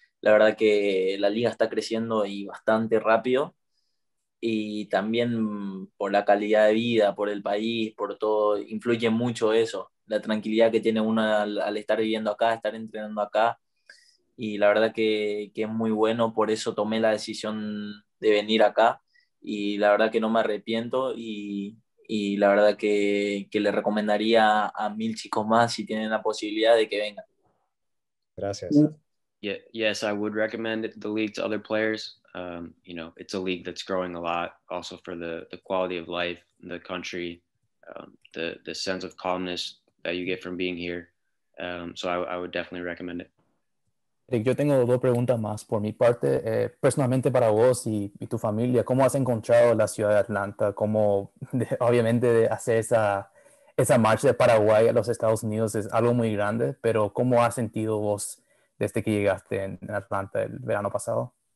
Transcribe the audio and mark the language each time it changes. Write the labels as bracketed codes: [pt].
[es] La verdad que la liga está creciendo y bastante rápido y también por la calidad de vida, por el país, por todo, influye mucho eso, la tranquilidad que tiene uno al estar viviendo acá, estar entrenando acá y la verdad que es muy bueno, por eso tomé la decisión de venir acá. Y la verdad que no me arrepiento y la verdad que le recomendaría a 1,000 chicos más si tienen la posibilidad de que vengan. Gracias. [en] Yeah, yes, I would recommend the league to other players. You know, it's a league that's growing a lot, also for the quality of life, the country, the sense of calmness that you get from being here. So I would definitely recommend it. [es] Yo tengo dos preguntas más por mi parte. Personalmente para vos y tu familia, ¿cómo has encontrado la ciudad de Atlanta? ¿Cómo, obviamente, hacer esa marcha de Paraguay a los Estados Unidos es algo muy grande, pero ¿cómo has sentido vos desde que llegaste en Atlanta el verano pasado?